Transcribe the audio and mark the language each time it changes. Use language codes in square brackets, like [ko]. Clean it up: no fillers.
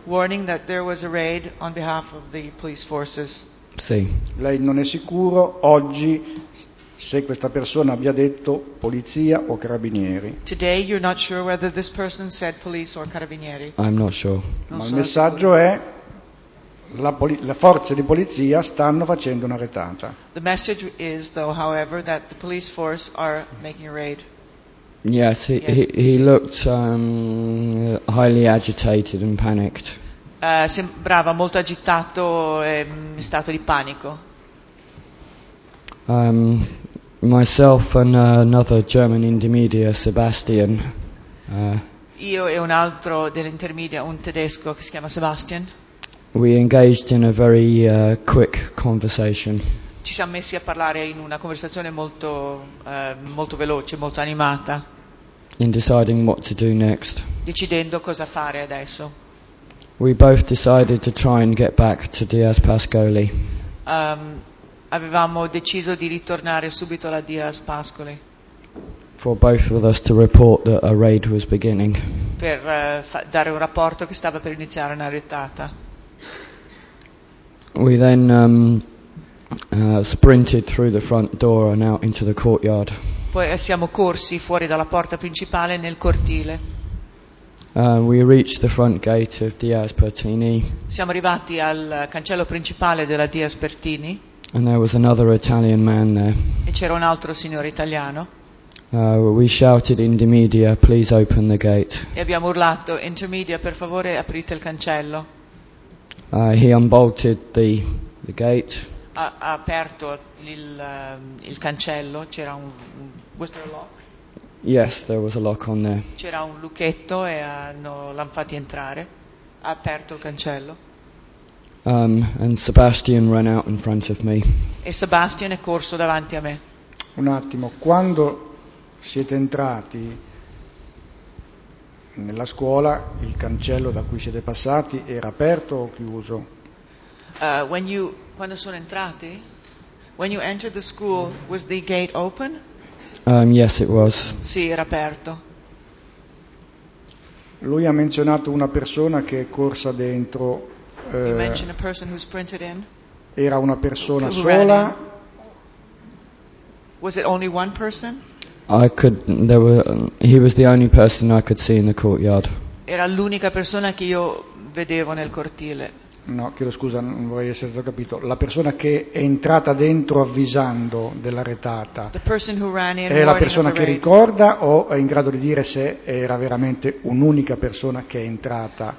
[en] Warning that there was a raid on behalf of the police forces. [it] Sì. Lei non è sicuro oggi se questa persona abbia detto polizia o carabinieri. [en] Today you're not sure whether this person said police or carabinieri. I'm not sure. [it] Ma il messaggio è le forze di polizia stanno facendo una rettata. [en] The message is though, however, that the police force are making a raid. Yes, he looked highly agitated and panicked. [it] Sembrava molto agitato e in stato di panico. [en] Myself and another German intermedia, Sebastian. [it] Io e un altro dell'intermedia, un tedesco che si chiama Sebastian. [en] We engaged in a very quick conversation. [it] Ci siamo messi a parlare in una conversazione molto molto veloce, molto animata. [en] In deciding what to do next. [it] Decidendo cosa fare adesso. [en] We both decided to try and get back to Diaz Pascoli. [it] Avevamo deciso di ritornare subito alla Diaz Pascoli. [en] For both of us to report that a raid was beginning. [it] Per dare un rapporto che stava per iniziare una rettata. [en] We then sprinted through the front door and out into the courtyard. [it] Poi siamo corsi fuori dalla porta principale nel cortile. [en] We reached the front gate of Diaz Pertini. [it] Siamo arrivati al cancello principale della Diaz Pertini. [en] And there was another Italian man there. [it] E c'era un altro signore italiano. [en] We shouted "Intermedia, please open the gate." [it] E abbiamo urlato "Intermedia, per favore aprite il cancello." [en] He unbolted the gate. [it] Ha aperto il cancello. C'era un [en] was there a lock? Yes, there was a lock on there. [it] C'era un lucchetto e l'hanno fatti entrare. Ha aperto il cancello. [en] And Sebastian ran out in front of me. [it] E Sebastian è corso davanti a me. Un attimo, quando siete entrati nella scuola, il cancello da cui siete passati era aperto o chiuso? Quando sono entrati? [en] When you entered the school, was the gate open? Yes, it was. [it] Sì, era aperto. Lui ha menzionato una persona che è corsa dentro. [en] You mentioned a person who sprinted in. [it] Era una persona sola. [en] Was it only one person? He was the only person I could see in the courtyard. [it] Era l'unica persona che io vedevo nel cortile. No, chiedo scusa, non vorrei essere stato capito. La persona che è entrata dentro avvisando della retata. [en] The person who ran in. [it] È la persona che ricorda o è in grado di dire se era veramente un'unica persona che è entrata?